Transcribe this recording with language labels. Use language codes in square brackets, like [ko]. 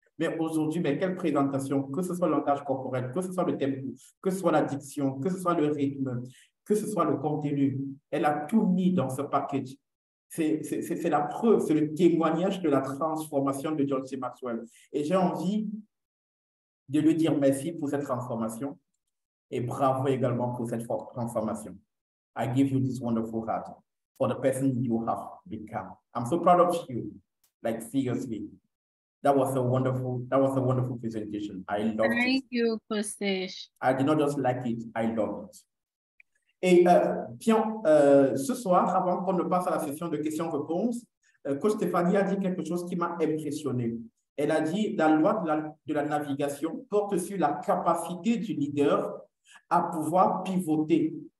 [fr] Mais aujourd'hui, mais quelle présentation, que ce soit le langage corporel, que ce soit le tempo, que ce soit la diction, que ce soit le rythme, que ce soit le contenu, elle a tout mis dans ce package. C'est la preuve, c'est le témoignage de la transformation de John C. Maxwell. Et j'ai envie de lui dire merci pour cette transformation et bravo également pour cette transformation. [en] I give you this wonderful heart for the person you have become. I'm so proud of you, like seriously. That was a wonderful presentation. I loved it. Thank you, Postage. I did not just like it, I loved it. [fr] Et bien, ce soir, avant qu'on ne passe à la session de questions-réponses, Coach Stéphanie a dit quelque chose qui m'a impressionné. Elle a dit « La loi de la navigation porte sur la capacité du leader à pouvoir pivoter.